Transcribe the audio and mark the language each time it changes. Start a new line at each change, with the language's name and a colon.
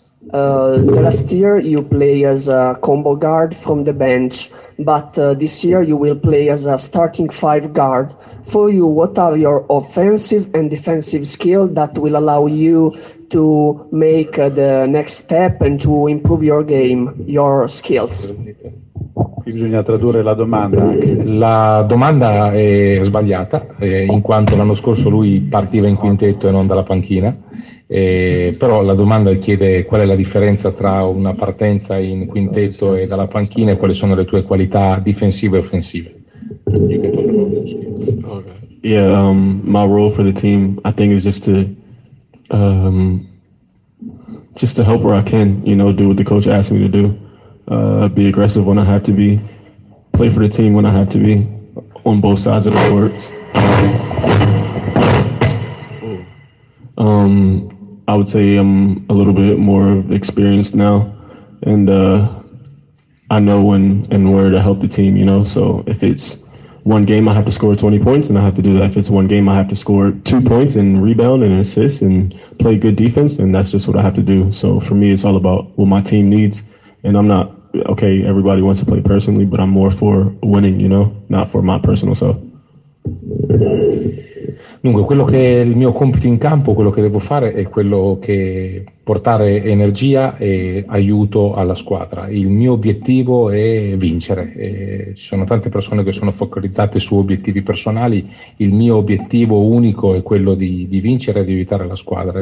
English: Last year you play as a combo guard from the bench, but this year you will play as a starting five guard. For you, what are your offensive and defensive skills that will allow you to make the next step and to improve your game, your skills?
Italian: Bisogna tradurre la domanda. La domanda è sbagliata, in quanto l'anno scorso lui partiva in quintetto e non dalla panchina. Però la domanda chiede qual è la differenza tra una partenza in quintetto e dalla panchina e quali sono le tue qualità difensive e offensive.
English: Yeah, my role for the team, I think, is just to help where I can, you know, do what the coach asks me to do. Be aggressive when I have to be, play for the team when I have to be, on both sides of the court. I would say I'm a little bit more experienced now, and I know when and where to help the team, you know. So if it's one game I have to score 20 points, and I have to do that. If it's one game I have to score 2 points and rebound and assist and play good defense, then that's just what I have to do. So for me, it's all about what my team needs, and I'm not, okay, everybody wants to play personally, but I'm more for winning, you know, not for my personal self.
Italian: Dunque, quello che è il mio compito in campo, quello che devo fare è quello che portare energia e aiuto alla squadra. Il mio obiettivo è vincere. Ci sono tante persone che sono focalizzate su obiettivi personali. Il mio obiettivo unico è quello di vincere e di aiutare la squadra.